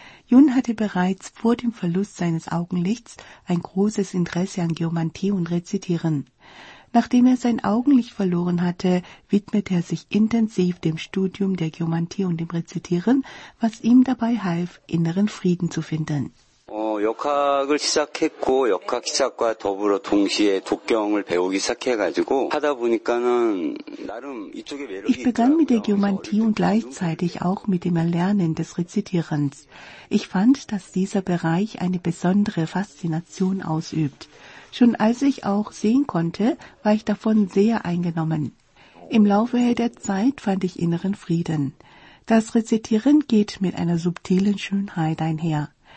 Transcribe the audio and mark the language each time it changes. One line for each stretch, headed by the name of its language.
German: Yun hatte bereits vor dem Verlust seines Augenlichts ein großes Interesse an Geomantie und Rezitieren. Nachdem er sein Augenlicht verloren hatte, widmete er sich intensiv dem Studium der Geomantie und dem Rezitieren, was ihm dabei half, inneren Frieden zu finden.
Korean: 역학을 시작했고 역학 시작과 더불어 동시에 독경을 배우기 시작해가지고 하다 보니까는 나름 이쪽에 매력이
German: Ich begann mit der Geomantie und gleichzeitig auch mit dem Erlernen des Rezitierens. Ich fand, dass dieser Bereich eine besondere Faszination ausübt. Schon als ich auch sehen konnte, war ich davon sehr eingenommen. Im Laufe der Zeit fand ich inneren Frieden. Das Rezitieren geht mit einer subtilen Schönheit einher.